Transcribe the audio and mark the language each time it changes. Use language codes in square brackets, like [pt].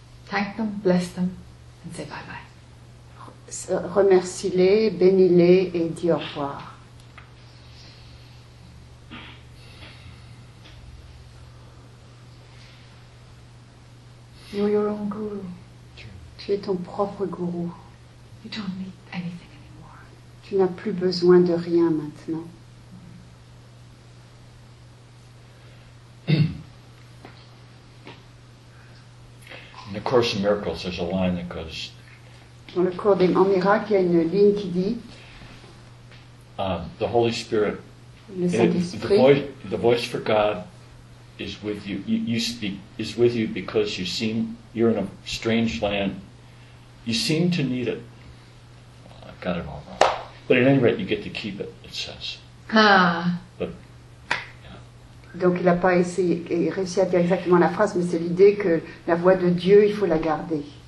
[en] Thank them, bless them, and say bye-bye. [fr] Remercie-les, bénis-les, et dis au revoir. [en] You're your own guru. [fr] Tu es ton propre guru. [en] You don't need anything anymore. [fr] Tu n'as plus besoin de rien maintenant. [en] In the Course in Miracles, there's a line that goes. [fr] Dans le cours des miracles, il y a une ligne qui dit. [en] The Holy Spirit. [fr] Le Saint-Esprit. [en] The voice for God is with you. You speak is with you because you seem you're in a strange land. You seem to need it. I've got it all wrong. But at any rate, you get to keep it. It says. But. [fr] Donc il n'a pas essayé, il réussit à dire exactement la phrase, mais c'est l'idée que la voix de Dieu, il faut la garder.